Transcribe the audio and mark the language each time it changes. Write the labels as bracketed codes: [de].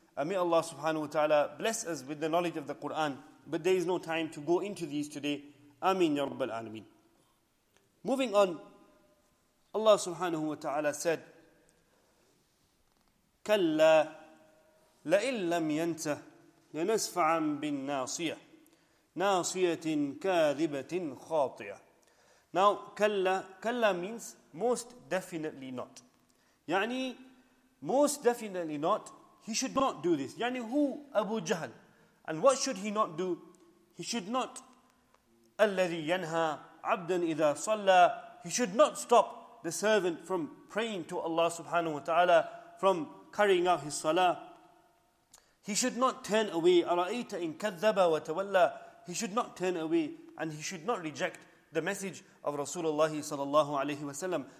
[en] May Allah subhanahu wa ta'ala bless us with the knowledge of the Quran. But there is no time to go into these today. Ameen ya Rabbal Alameen. Moving on, Allah subhanahu wa ta'ala said, [ar] كَلَّا لَإِنْ لَمْ يَنْتَهِ لَنَسْفَعًا بِالنَّاصِيَةِ نَاصِيَةٍ كَاذِبَةٍ خَاطِئَةٍ. [en] Now, [ar] كَلَّا [en] means most definitely not. [ar] يعني, [en] most definitely not, he should not do this. [ar] يعني, [en] who? Abu Jahl. And what should he not do? He should not, [ar] الَّذِي يَنْهَى عَبْدًا إِذَا صَلَّى. [en] He should not stop the servant from praying to Allah subhanahu wa ta'ala, from carrying out his salah. He should not turn away. [ar] أَرَأَيْتَ إِن كَذَّبَ وَتَوَلَّى. [en] He should not turn away and he should not reject the message of Rasulullah sallallahu alayhi wa sallam.